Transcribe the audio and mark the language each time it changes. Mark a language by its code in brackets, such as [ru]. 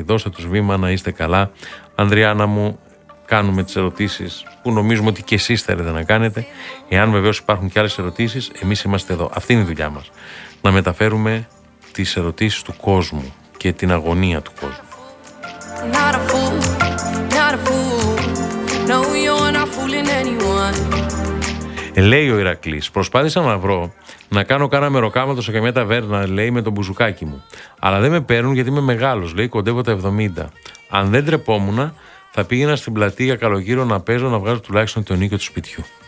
[el] Δώστε τους βήμα να είστε καλά. Ανδριάνα μου, κάνουμε τις ερωτήσεις που νομίζουμε ότι και εσείς θέλετε να κάνετε. Εάν βεβαίως υπάρχουν και άλλες ερωτήσεις, εμείς είμαστε εδώ. Αυτή είναι η δουλειά μας. Να μεταφέρουμε τις ερωτήσεις του κόσμου και την αγωνία του κόσμου. [en] Not a fool, not a fool. No, you're not fooling anyone. [el] Λέει ο Ηρακλής, προσπάθησα να βρω να κάνω κάνα μεροκάματο σε καμιά ταβέρνα, λέει, με τον μπουζουκάκι μου. Αλλά δεν με παίρνουν γιατί είμαι μεγάλος, λέει, κοντεύω τα 70. Αν δεν τρεπόμουν, θα πήγαινα στην πλατεία για καλογύρω να παίζω να βγάζω τουλάχιστον τον οίκιο του σπιτιού.